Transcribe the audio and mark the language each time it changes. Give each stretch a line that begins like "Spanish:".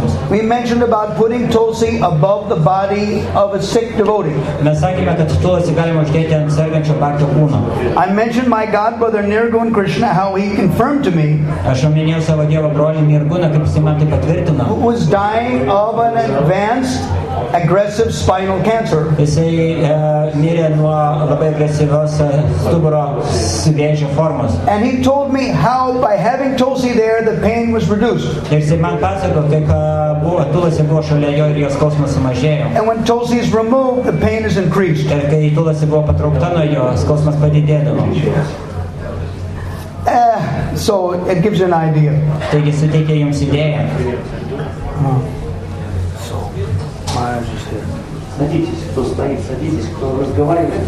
English: We mentioned about putting Tulsi above the body of a sick devotee. I mentioned my godbrother Nirgun Krishna, how he confirmed to me, who was dying of an advanced aggressive spinal cancer.
Lithuanian: Jisai mirė nuo labai agresyvios stuburo vėžio formos.
English: And he told me how by having Tulsi there the pain was reduced.
Lithuanian: Jisai man pasakojo, kaip Tulsi buvo šalia jo ir jo skausmas sumažėjo.
English: And when Tulsi is removed, the pain is increased.
Lithuanian: Ir kai Tulsi buvo patraukta nuo jo, skausmas padidėdavo.
English: So it gives you an idea.
Lithuanian: Taigi suteikia jums idėją.
Russian: Садитесь, кто стоит, садитесь, кто разговаривает,